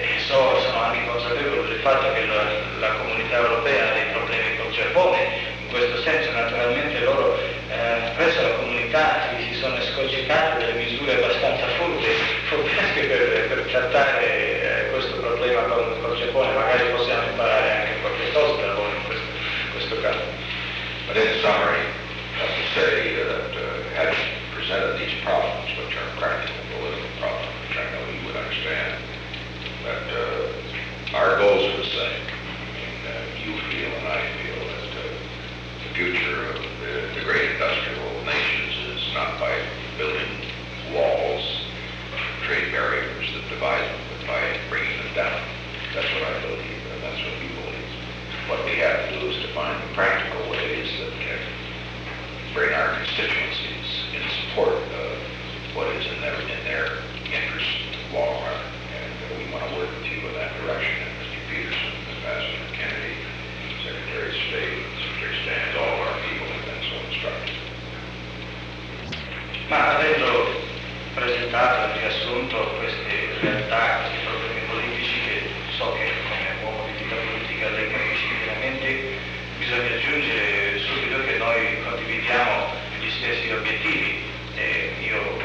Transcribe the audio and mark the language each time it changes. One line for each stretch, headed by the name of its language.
Italian: Sono anche consapevole del fatto che la comunità europea ha dei problemi con Giappone, in questo senso naturalmente loro presso la comunità si sono escogitate delle misure abbastanza furbesche per trattare questo problema con Giappone, magari possiamo imparare anche qualche cosa da loro in questo caso.
English: But in summary, I have to say that having presented these problems, which are practical political problems, which I know you would understand, that our goals are the same. You feel and I feel that the future of the great industrial nations is not by building walls, trade barriers that divide them, but by bringing them down. That's what I believe, and that's what you believe. What we have to do is to find the practical ways that can bring our constituencies in support of what is in their interest in the long run. We want to work with you in that direction, and Mr. Peterson, Ambassador Kennedy, Secretary of State, Secretary Stans, all of our people have been so instructed.
Italian: Ma avendo presentato e riassunto queste realtà, questi problemi politici, che so che come uomo di vita politica lei capisce veramente, bisogna aggiungere subito che noi condividiamo gli stessi obiettivi, e io